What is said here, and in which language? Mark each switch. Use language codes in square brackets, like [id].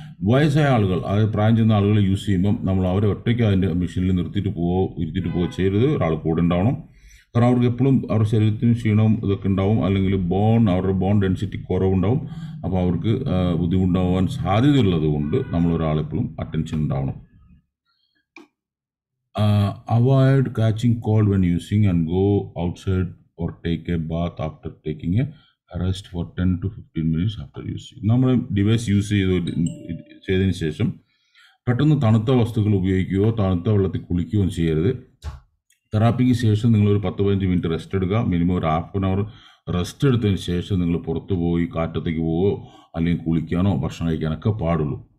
[ml] വയസ്സായ ആളുകൾ, അതായത് പ്രായം ചെന്ന ആളുകൾ യൂസ് ചെയ്യുമ്പം നമ്മൾ അവരെ ഒറ്റയ്ക്ക് അതിൻ്റെ മെഷീനിൽ നിർത്തിയിട്ട് പോവോ ഇരുത്തിയിട്ട് പോവോ ചെയ്യരുത്. ഒരാൾ കൂടെ ഉണ്ടാവണം, കാരണം അവർക്ക് എപ്പോഴും അവരുടെ ശരീരത്തിന് ക്ഷീണവും ഇതൊക്കെ ഉണ്ടാവും, അല്ലെങ്കിൽ ബോൺ അവരുടെ ബോൺ ഡെൻസിറ്റി കുറവുണ്ടാവും. അപ്പോൾ അവർക്ക് ബുദ്ധിമുട്ടുണ്ടാവാൻ സാധ്യതയുള്ളത് കൊണ്ട് നമ്മളൊരാളെപ്പോഴും അറ്റൻഷൻ ഉണ്ടാവണം. [en] Avoid catching cold when using and go outside or take a bath after taking a rest for 10 to 15 minutes after using. [ml] നമ്മുടെ ഡിവൈസ് യൂസ് ചെയ്തതിന് ശേഷം പെട്ടെന്ന് തണുത്ത വസ്തുക്കൾ ഉപയോഗിക്കുകയോ തണുത്ത വെള്ളത്തിൽ കുളിക്കുകയോ ചെയ്യരുത്. തെറാപ്പിക്ക് ശേഷം നിങ്ങളൊരു 10-15 മിനിറ്റ് റെസ്റ്റ് എടുക്കുക. മിനിമം ഒരു ഹാഫ് ആൻ അവർ റെസ്റ്റ് എടുത്തതിന് ശേഷം നിങ്ങൾ പുറത്തു പോയി കാറ്റത്തേക്ക് പോവുകയോ അല്ലെങ്കിൽ കുളിക്കാനോ ഭക്ഷണം കഴിക്കാനൊക്കെ പാടുള്ളൂ.